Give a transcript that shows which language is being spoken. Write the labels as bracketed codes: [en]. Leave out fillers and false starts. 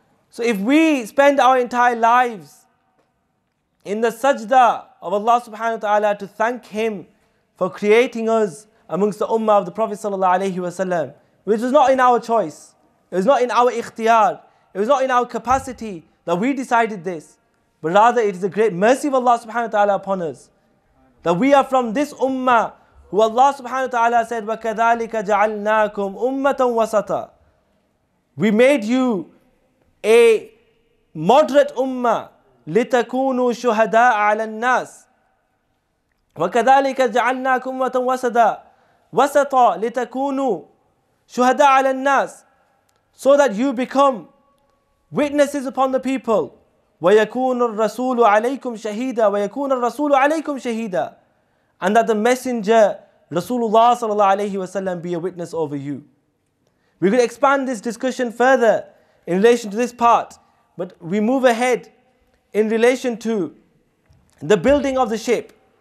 [en] So if we spend our entire lives in the sajda of Allah subhanahu wa ta'ala to thank him for creating us amongst the ummah of the Prophet sallallahu alayhi wa sallam, which was not in our choice, it was not in our ikhtiyar, it was not in our capacity that we decided this, but rather it is a great mercy of Allah subhanahu wa ta'ala upon us, that we are from this ummah who Allah subhanahu wa ta'ala said, [ar] وَكَذَلِكَ جَعَلْنَاكُمْ أُمَّةً وَسَطًا. [en] We made you a moderate ummah, [ar] لِتَكُونُوا شُهَدَاءَ عَلَى النَّاسِ وَكَذَلِكَ جَعَلْنَاكُمْ أُمَّةً وَسَطًا لِتَكُونُوا شُهَدَاءَ عَلَى النَّاسِ. [en] So that you become witnesses upon the people. [ar] وَيَكُونُ الرَّسُولُ عَلَيْكُمْ شَهِيدًا وَيَكُونَ الرَّسُولُ عَلَيْكُمْ شَهِيدًا. [en] And that the messenger, Rasulullah sallallahu alayhi wa sallam, be a witness over you. We could expand this discussion further in relation to this part, but we move ahead in relation to the building of the ship.